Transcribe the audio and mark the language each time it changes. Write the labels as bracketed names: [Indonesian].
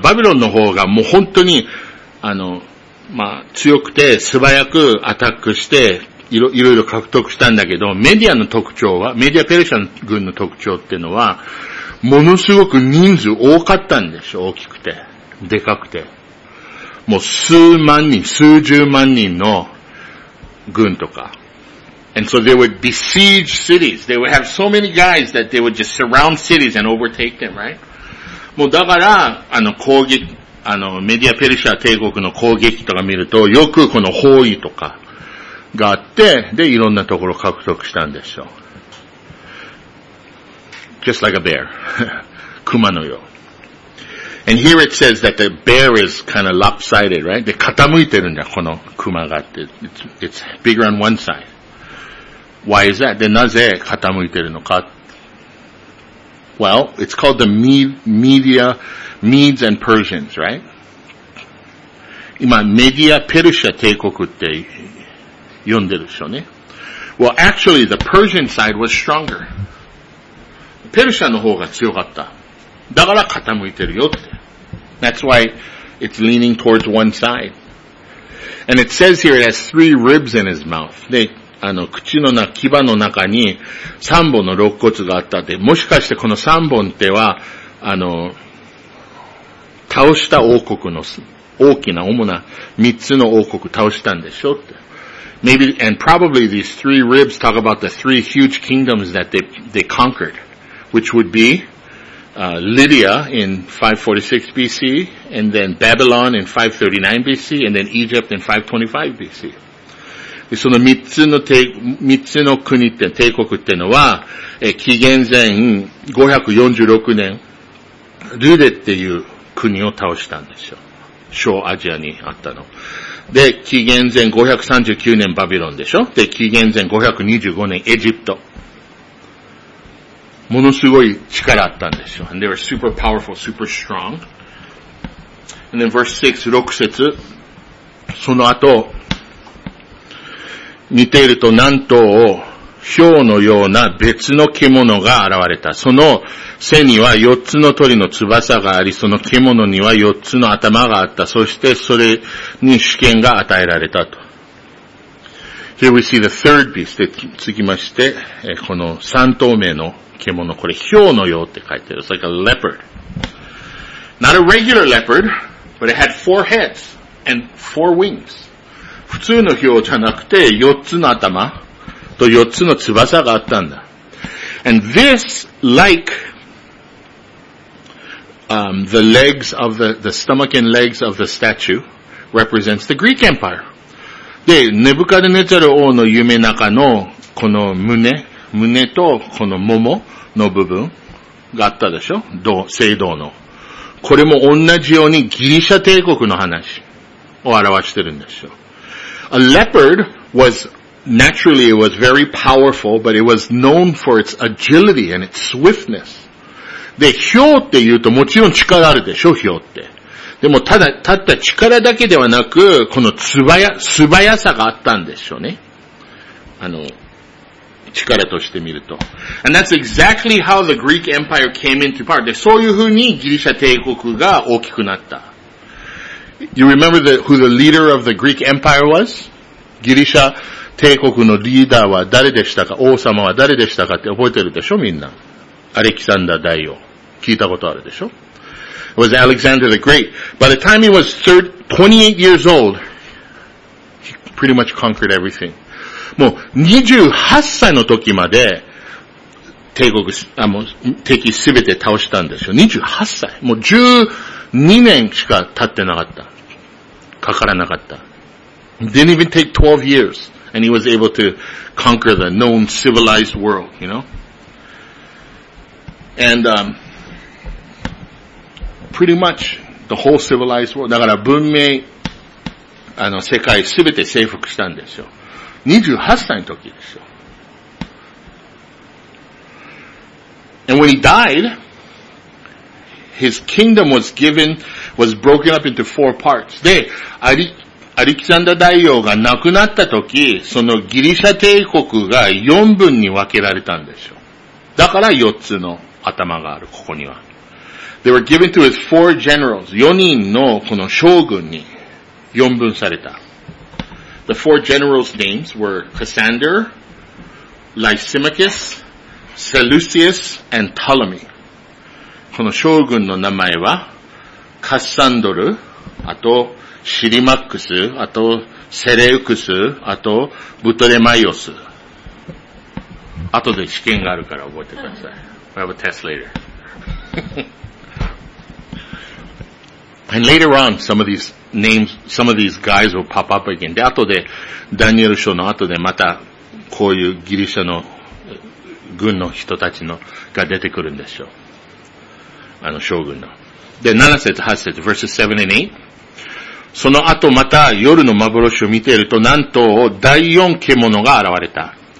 [Japanese] バビロンの方がもう本当に、あの、まあ、強くて素早くアタックして、いろいろ獲得したんだけど、メディアの特徴は、メディア・ペルシャの軍の特徴っていうのは、ものすごく人数多かったんでしょ、大きくて。でかくて。もう数万人、数十万人の軍とか。 [English] And so they would besiege cities. They would have so many guys that they would just surround cities and overtake them, right? [Japanese] もうだから、あの攻撃、あのメディアペルシャ帝国の攻撃とか見ると、よくこの包囲とかがあって、で、いろんなところ獲得したんでしょ。 [English] Just like a bear. [Japanese] Kuma no yo. [English] And here it says that the bear is kind of lopsided, right? [Japanese] で、傾いてるんだ、この Kuma が。 [English] It's bigger on one side. Why is that? [Japanese] で、なぜ傾いてるのか? [English] Well, it's called the Medes and Persians, right? [Japanese] 今、メディア・ペルシャ帝国って呼んでるでしょうね。 [English] Well, actually, the Persian side was stronger. [Japanese] ペルシャの方が強かった。だから傾いてるよって。 [English] That's why it's leaning towards one side. And it says here it has three ribs in his mouth. [Japanese] で、あの、口の中、牙の中に三本の肋骨があったって。もしかしてこの三本っては、あの、倒した王国の大きな主な三つの王国倒したんでしょって。 [English] Maybe, and probably these three ribs talk about the three huge kingdoms that they conquered. Which would be, Lydia in 546 BC, and then Babylon in 539 BC, and then Egypt in 525 BC. [Japanese] で、その三つの国って、帝国ってのは、紀元前546年、ルレっていう国を倒したんですよ。小アジアにあったの。で、紀元前539年バビロンでしょ? で、紀元前525年エジプト。ものすごい力あったんですよ。 [English] And they were super powerful, super strong. And then verse 6, 6節。 [Japanese] その後、似ていると南東を、豹のような別の獣が現れた。その背には四つの鳥の翼があり、その獣には四つの頭があった。そしてそれに主権が与えられたと。 [English] Here we see the third beast. [Japanese] で、続きまして、この三頭目の獣、これ、ヒョウのようって書いてある。 [English] It's like a leopard. Not a regular leopard, but it had four heads and four wings. [Japanese] 普通のヒョウじゃなくて、四つの頭と四つの翼があったんだ。 [English] And this, like, the legs of the stomach and legs of the statue represents the Greek Empire. [Japanese] で、ネブカデネザル王の夢中のこの胸とこの腿の部分があったでしょ?聖堂の。これも同じようにギリシャ帝国の話を表してるんですよ。 [English] A leopard was, naturally it was very powerful, but it was known for its agility and its swiftness. [Japanese] で、ヒョウって言うともちろん力あるでしょ、ヒョウって。でもただ、たった力だけではなく、この素早さがあったんでしょうね。あの、力として見ると。 [English] And that's exactly how the Greek Empire came into power. [Japanese] で、そういうふうにギリシャ帝国が大きくなった。 [English] You remember who the leader of the Greek Empire was? [Japanese] ギリシャ帝国のリーダーは誰でしたか?王様は誰でしたかって覚えてるでしょ?みんな。アレキサンダー大王。聞いたことあるでしょ? [English] was Alexander the Great. By the time he was 28 years old, he pretty much conquered everything. [Japanese] もう28歳の時まで帝国、あ、もう敵すべて倒したんですよ。28歳。もう12年しか経ってなかった。かからなかった。 [English] Didn't even take 12 years. And he was able to conquer the known civilized world, you know? And, pretty much the whole civilized world. [Japanese] だから文明、あの世界すべて征服したんですよ。 28歳の時ですよ。 [English] And when he died, his kingdom was given, was broken up into four parts. [Japanese] で、アレキサンダー大王が亡くなった時、そのギリシャ帝国が四分に分けられたんですよ。だから四つの頭がある、ここには。 [English] They were given to his four generals, [Japanese] 四人のこの将軍に四分された。 [English] The four generals' names were Cassander, Lysimachus, Seleucus, and Ptolemy. [Japanese] この将軍の名前は、カッサンドル、あと、シリマックス、あと、セレウクス、あと、ブトレマイオス。後で試験があるから覚えてください。 [English] We have a test later. And later on, some of these names, some of these guys will pop up again. [Japanese] で、後で、ダニエル書の後でまた、こういうギリシャの軍の人たちのが出てくるんでしょう。あの、将軍の。で、7節、8節、 [English] verses 7 and 8。 [Japanese] その後また夜の幻を見ていると、なんと、第四獣が現れた。